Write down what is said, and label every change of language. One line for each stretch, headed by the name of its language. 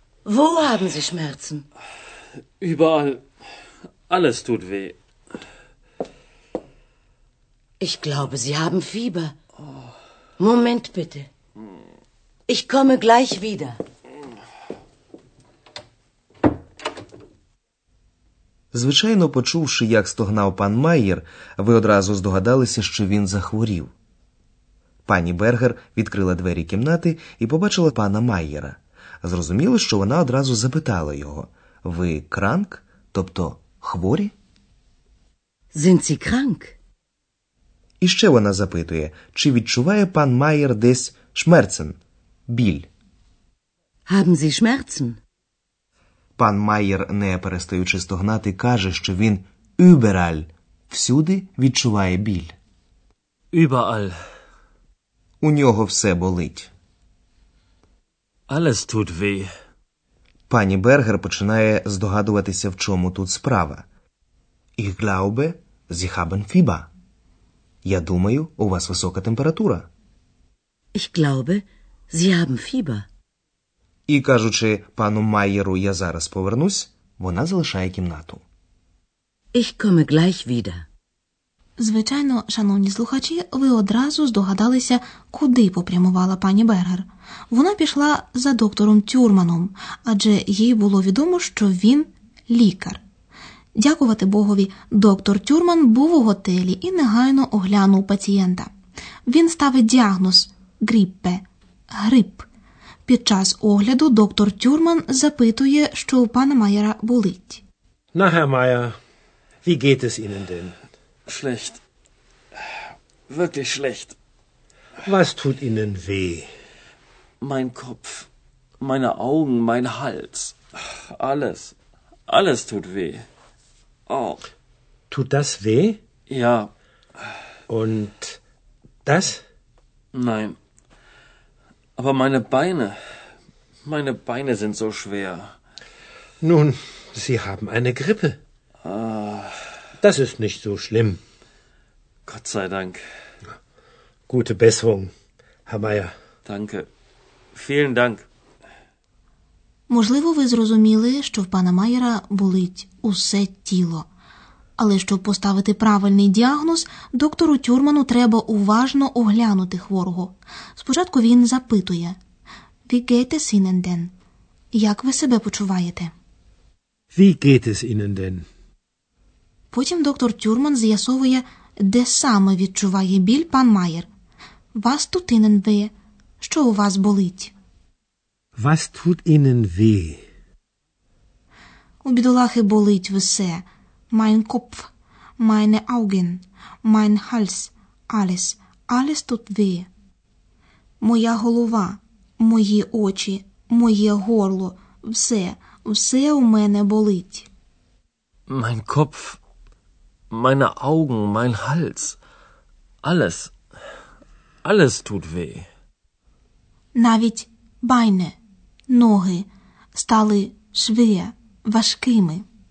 German: Wo haben Sie Schmerzen? Überall. Alles tut weh. Ich glaube, Sie haben Fieber. Moment bitte. Ich komme gleich wieder.
Ukrainian: Звичайно, почувши, як стогнав пан Майєр, ви одразу здогадалися, що він захворів. Пані Бергер відкрила двері кімнати і побачила пана Майєра. Зрозуміло, що вона одразу запитала його: "Ви кранк? Тобто хворі?"
German: Sind Sie krank?
Ukrainian: І ще вона запитує, чи відчуває пан Майєр десь шмерцен, біль.
German: Haben Sie Schmerzen?
Ukrainian: Пан Майєр, не перестаючи стогнати, каже, що він
German: überall,
Ukrainian: всюди відчуває біль.
German: Überall.
Ukrainian: У нього все болить.
German: Alles tut weh.
Ukrainian: Пані Бергер починає здогадуватися, в чому тут справа.
German: Ich glaube, Sie haben Fieber.
Ukrainian: Я думаю, у вас висока температура.
German: Ich glaube, Sie haben Fieber.
Ukrainian: І кажучи пану Майєру, я зараз повернусь, вона залишає кімнату.
German: Ich komme gleich wieder.
Ukrainian: Звичайно, шановні слухачі, ви одразу здогадалися, куди попрямувала пані Бергер. Вона пішла за доктором Тюрманом, адже їй було відомо, що він лікар. Дякувати Богові, доктор Тюрман був у готелі і негайно оглянув пацієнта. Він ставить діагноз – гріппе, грип. Під час огляду доктор Тюрман запитує, що у пана Майера болить.
German: Na, Herr Meier, wie geht es Ihnen denn? Schlecht. Wirklich schlecht. Was tut Ihnen weh? Mein Kopf, meine Augen, mein Hals. Alles, alles tut weh. Oh. Tut das weh? Ja. Und das? Nein. Aber meine Beine sind so schwer. Nun, Sie haben eine Grippe. Das ist nicht so schlimm. Gott sei Dank. Gute Besserung, Herr Meier. Danke. Vielen Dank.
Ukrainian: Можливо, ви зрозуміли, що в пана Майера болить усе тіло. Але щоб поставити правильний діагноз, доктору Тюрману треба уважно оглянути хворого. Спочатку він запитує:
German: Wie geht es Ihnen denn?
Ukrainian: Як ви себе почуваєте?
German: Wie geht es Ihnen denn?
Ukrainian: Потім доктор Тюрман з'ясовує, де саме відчуває біль пан Майєр.
German: Was tut Ihnen weh?
Ukrainian: Що у вас болить?
German: Was tut Ihnen weh?
Ukrainian: У бідолахи болить все.
German: Mein Kopf, meine Augen, mein Hals, alles, alles tut weh.
Ukrainian: Моя голова, мої очі, моє горло, все, Все у мене болить.
German: Mein Kopf, meine Augen, mein Hals. Alles, alles tut weh.
Ukrainian: Навіть beine, ноги стали schwer, важкими.